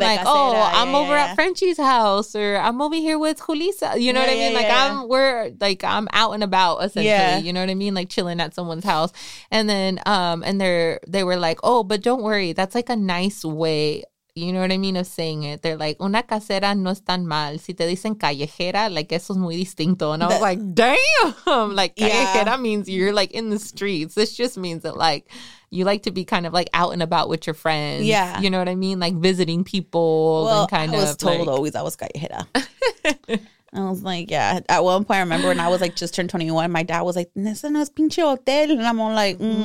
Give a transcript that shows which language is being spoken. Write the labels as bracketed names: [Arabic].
[English] Like, casera, I'm over at Frenchie's house, or I'm over here with Julissa, you know what I mean? Like, I'm out and about, essentially, you know what I mean? Like, chilling at someone's house. And then, and they were like, oh, but don't worry, that's like a nice way, you know what I mean, of saying it. They're like, [Spanish] una casera no es tan mal. Si te dicen callejera, like, eso es muy distinto. [English] And I was like, damn, like, callejera means you're like in the streets. This just means that, like, you like to be kind of like out and about with your friends. Yeah. You know what I mean? Like visiting people. Well, and kind I was of told like... always I was callejera. I was like, yeah. At one point, I remember when I was like just turned 21, my dad was like, [Spanish] ese no es pinche hotel. [English] And I'm all like,